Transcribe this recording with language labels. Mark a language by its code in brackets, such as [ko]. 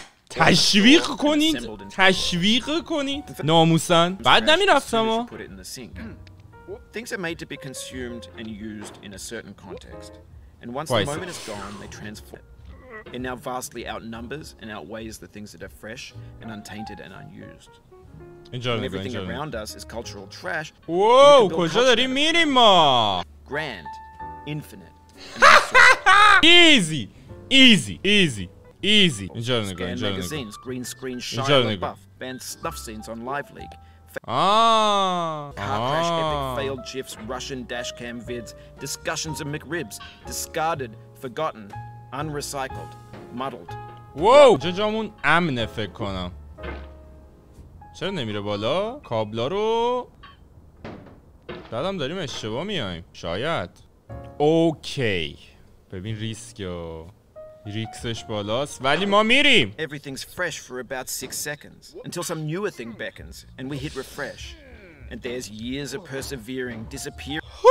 [fa] تشویق کنید، تشویق کنید ناموسن. بعد نمیرفتم ها. [en] Things are made to be consumed and used in a certain context, and once the moment is gone, they transform. It now vastly outnumbers and outweighs the things that are fresh and untainted and unused. And everything around us is cultural trash. Whoa, [fa] کجا داری میری ما؟ [en] Grand, infinite. Easy. Enjoy the game. Scan magazines, green screen, shiny and buff, banned snuff scenes on Live League. Car crash, epic failed GIFs, Russian dashcam vids, discussions of McRibs, discarded, forgotten, unrecycled, muddled. Whoa! [fa] جا جامون امنه فکر کنم. چرا نمیره بالا؟ کابلا رو دادم داریم اشتباه میایم. شاید. اوکی. ببین ریسک و ریکسش بالاست ولی ما میریم. [en] Everything's fresh for about 6 seconds until some newer thing beckons and we hit refresh and there's years of persevering disappear.